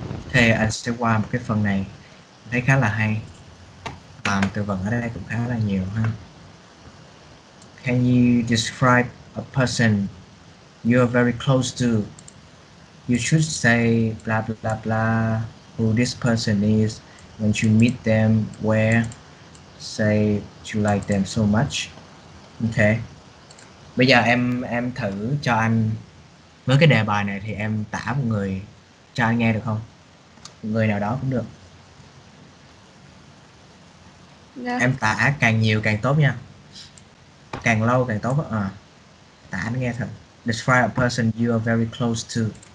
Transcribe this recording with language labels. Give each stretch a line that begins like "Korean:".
Vietnamese: Thế anh sẽ qua một cái phần này. Thấy khá là hay. Làm từ vựng ở đây cũng khá là nhiều ha.
English: Can you describe a person you are very close to? You should say blah blah blah blah who this person is when you meet them, where say you like them so much. Ok.
Vietnamese: Bây giờ em thử cho anh với cái đề bài này thì em tả một người cho anh nghe được không? Người nào đó cũng được.
English: Yeah.
Vietnamese: Em tả càng nhiều càng tốt nha. Càng lâu càng tốt à. Tả anh nghe thật.
English: Describe a person you are very close to.